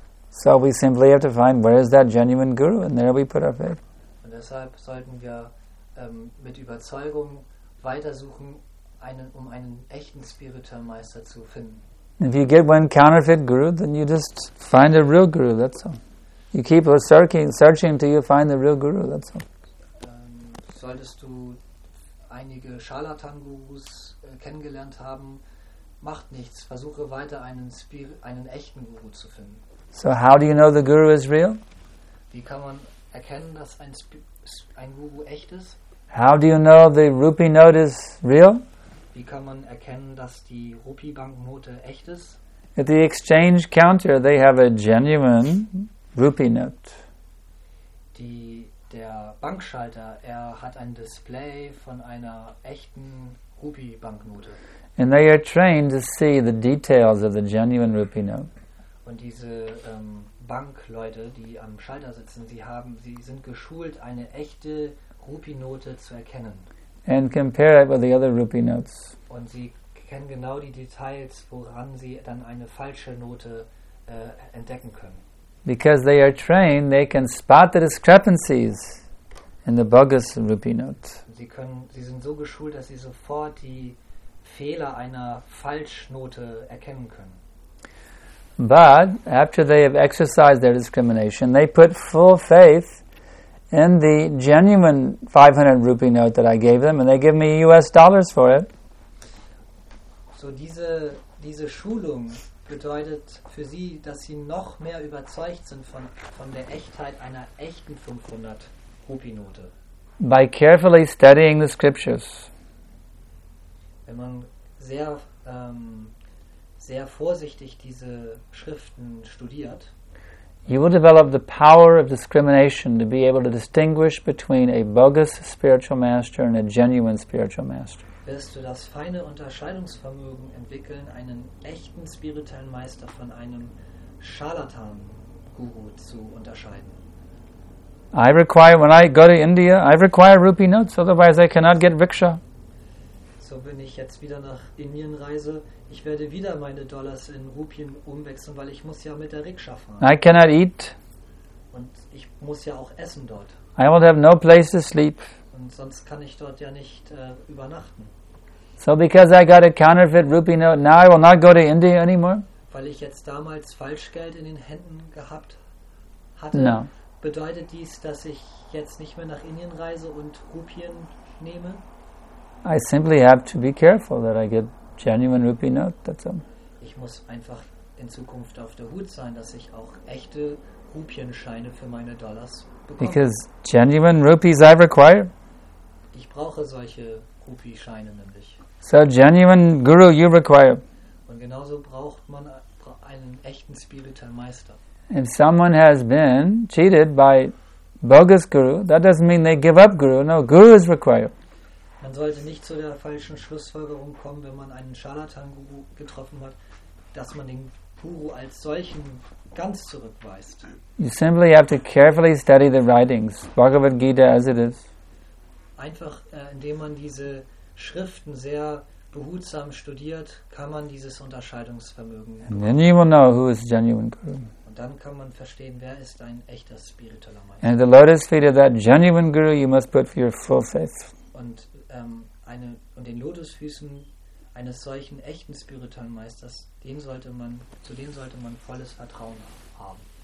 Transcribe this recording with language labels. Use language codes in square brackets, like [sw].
[en] So we simply have to find where is that genuine guru, and there we put our faith. [de] Und deshalb sollten wir mit Überzeugung weitersuchen, einen echten spirituellen Meister zu finden. [en] If you get one counterfeit guru, then you just find a real guru, that's all. You keep searching until you find the real guru, that's all. [de] Solltest du einige Scharlatan-Gurus kennengelernt haben, macht nichts. Versuche weiter einen echten Guru zu finden. [en] So how do you know the guru is real? [de] Wie kann man erkennen, dass ein Guru echt ist? [en] How do you know the rupee note is real? [de] Wie kann man erkennen, dass die Rupee-Banknote echt ist? [en] At the exchange counter, they have a genuine rupee note. [de] Der Bankschalter, er hat ein Display von einer echten Rupee-Banknote. [en] And they are trained to see the details of the genuine rupee note. [de] Und diese Bankleute, die am Schalter sitzen, sie sind geschult, eine echte Rupee-Note zu erkennen. [en] And compare it with the other rupee notes. [de] Und sie kennen genau die Details, woran sie dann eine falsche Note entdecken können. [en] Because they are trained, they can spot the discrepancies in the bogus rupee note. [de] Sie sind so geschult, dass sie sofort die Fehler einer Falschnote erkennen können. [en] But after they have exercised their discrimination, they put full faith in the genuine 500 rupee note that I gave them, and they give me US dollars for it. [de] So diese Schulung bedeutet für sie, dass sie noch mehr überzeugt sind von der Echtheit einer echten 500 Rupee Note. [en] By carefully studying the scriptures. [de] Wenn man sehr sehr vorsichtig diese Schriften studiert, [en] you will develop the power of discrimination to be able to distinguish between a bogus spiritual master and a genuine spiritual master. [de] Wirst du das feine Unterscheidungsvermögen entwickeln, einen echten spirituellen Meister von einem Scharlatan-Guru zu unterscheiden? [en] I require, when I go to India, I require rupee notes, otherwise I cannot get rickshaw. [de] So, wenn ich jetzt wieder nach Indien reise, ich werde wieder meine Dollars in Rupien umwechseln, weil ich muss ja mit der Rikscha fahren. [en] I cannot eat. [de] Und ich muss ja auch essen dort. [en] I will have no place to sleep. [de] Und sonst kann ich dort ja nicht übernachten. [en] So because I got a counterfeit rupee note, now I will not go to India anymore? [de] Weil ich jetzt damals Falschgeld in den Händen gehabt hatte, [en] no. [de] Bedeutet dies, dass ich jetzt nicht mehr nach Indien reise und Rupien nehme? [en] I simply have to be careful that I get genuine rupee note, that's all. [de] Ich muss einfach in Zukunft auf der Hut sein, dass ich auch echte Rupienscheine für meine Dollars bekomme. [en] Because genuine rupees I require. [de] Ich brauche solche Rupienscheine nämlich. [en] So genuine guru you require. [de] Und genauso braucht man einen echten spirituellen Meister. [en] If someone has been cheated by bogus guru, that doesn't mean they give up guru. No, guru is required. [de] Man sollte nicht zu der falschen Schlussfolgerung kommen, wenn man einen Scharlatan-Guru getroffen hat, dass man den Guru als solchen ganz zurückweist. [en] You simply have to carefully study the writings, Bhagavad Gita as it is. [de] Einfach indem man diese Schriften sehr behutsam studiert, kann man dieses Unterscheidungsvermögen. [en] And then you will know who is genuine guru. [de] Und dann kann man verstehen, wer ist ein echter spiritueller Meister. [en] And the lotus feet of that genuine guru you must put for your full faith. [de] Und den Lotusfüßen eines solchen echten spirituellen Meisters, zu dem sollte man volles Vertrauen haben.